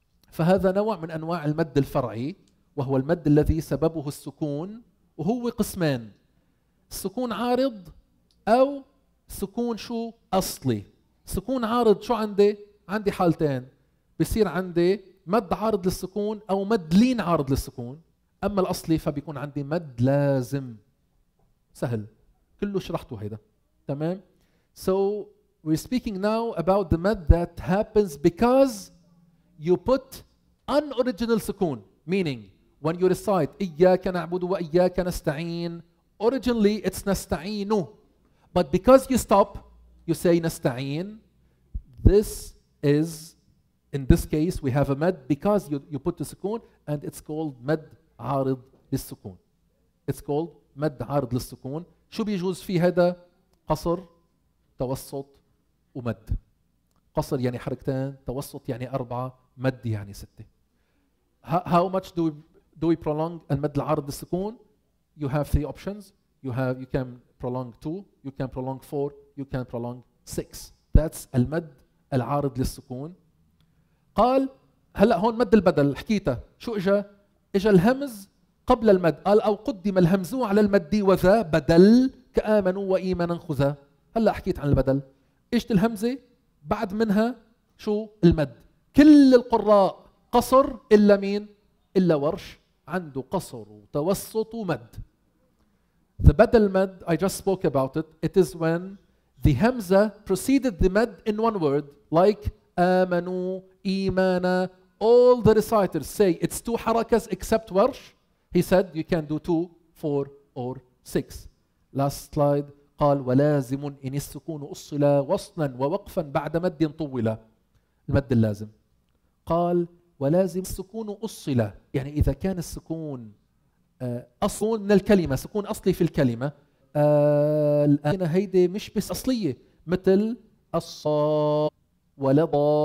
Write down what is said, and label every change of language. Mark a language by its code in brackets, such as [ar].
[ar] فهذا نوع من أنواع المد الفرعي، وهو المد الذي سببه السكون، وهو قسمان، سكون عارض أو سكون شو أصلي. سكون عارض شو عندي؟ عندي حالتين، بصير عندي مد عارض للسكون أو مد لين عارض للسكون. أما الأصلي فبيكون عندي مد لازم. سهل، كله شرحته هيدا. [en] تمام؟ So we're speaking now about the mad that happens because you put unoriginal سكون. Meaning when you recite إياك نعبد وإياك نستعين, originally it's نستعينه, but because you stop you say نستعين. This is in this case we have a mad because you put the سكون, and it's called مد عارض للسكون. It's called [ar] مد عارض للسكون. شو بيجوز في هذا؟ قصر، توسط، ومد. قصر يعني حركتين، توسط يعني أربعة، مد يعني ستة. [en] How much do we prolong المد العارض للسكون؟ You have three options. You can prolong two, you can prolong four, you can prolong six. [ar] That's المد العارض للسكون. قال هلأ هون مد البدل حكيته، شو إجا؟ إجا الهمز قبل المد. قال أو قدم الهمز على المد وذا بدل كآمنوا وإيمانا خذا. هلأ حكيت عن البدل، إجت الهمزة بعد منها شو؟ المد. كل القراء قصر إلا مين؟ إلا ورش عنده قصر وتوسط ومد. [en] The بدل مد I just spoke about it. It is when the همزة preceded the مد in one word like آمنوا إيمانا. All the reciters say it's two حركات except ورش. He said you can do two, four or six. Last slide. [ar] قال ولازم إن السكون أصلا وصلا ووقفا بعد مد طولة. المد اللازم. قال ولازم السكون أصلا، يعني إذا كان السكون أصل من الكلمة، سكون أصلي في الكلمة، الآن هيدي مش بس أصلية، مثل الصا ولضالين.